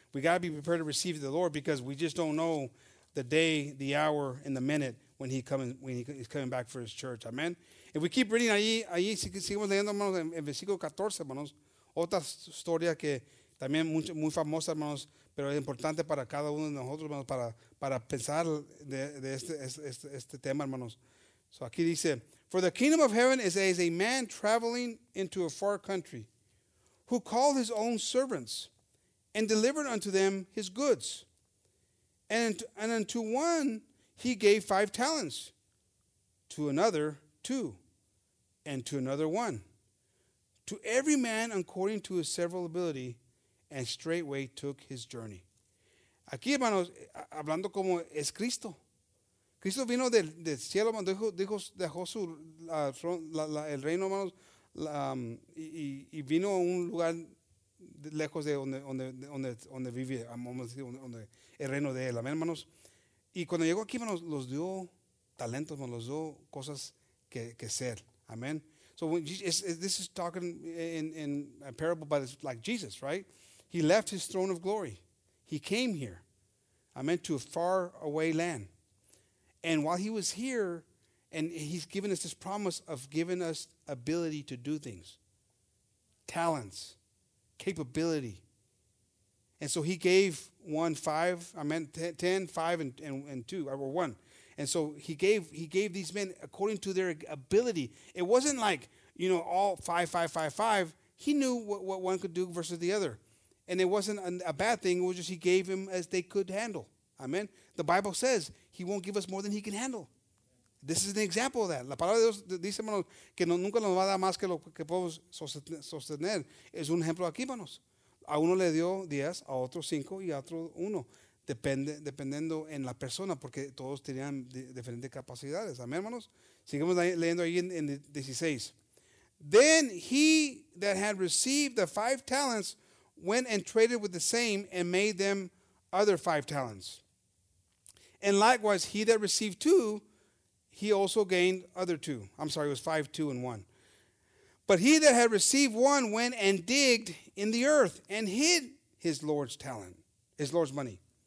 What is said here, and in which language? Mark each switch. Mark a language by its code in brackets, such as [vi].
[en] We got to be prepared to receive the Lord, because we just don't know the day, the hour, and the minute when he's coming back for his church. Amen. If we keep reading [es] ahí, si seguimos leyendo, hermanos, en versículo 14, hermanos, otra historia que también muy famosa, hermanos, pero es importante para cada uno de nosotros, hermanos, para pensar de este tema, hermanos. [en] So [es] aquí dice, [en] for the kingdom of heaven is as a man traveling into a far country, who called his own servants and delivered unto them his goods. And unto one he gave 5 talents, to another 2, and to another 1, to every man according to his several ability, and straightway took his journey. [es] Aquí, hermanos, hablando como es Cristo. Cristo vino del cielo, hermano. Dijo, dejó su el reino, hermano, y vino a un lugar lejos de donde vive, vamos a decir, donde el reino de él. Amén, hermanos. Y cuando llegó aquí, hermanos, los dio talentos, hermanos, los dio cosas que ser. Amén. [en] So when Jesus, this is talking in a parable, but it's like Jesus, right? He left his throne of glory. He came here. Amen. To a far away land. And while he was here, and he's given us this promise of giving us ability to do things, talents, capability. And so he gave one, five, amen, ten, five, and two, or one. And so he gave these men according to their ability. It wasn't like, you know, all five, five, five, five. He knew what one could do versus the other. And it wasn't a bad thing. It was just he gave them as they could handle. Amen. The Bible says he won't give us more than he can handle. This is an example of that. [es] La palabra de Dios dice, hermanos, que nunca nos va a dar más que lo que podemos sostener. Es un ejemplo aquí, hermanos. A uno le dio 10, a otro 5 y a otro 1. Dependiendo en la persona, porque todos tenían diferentes capacidades. Amén, hermanos. Sigamos leyendo ahí en 16. [en] Then he that had received the 5 talents went and traded with the same and made them other 5 talents. And likewise, he that received 2, he also gained other 2. I'm sorry, it was 5, 2, and 1. But he that had received 1 went and digged in the earth and hid his Lord's talent, his Lord's money.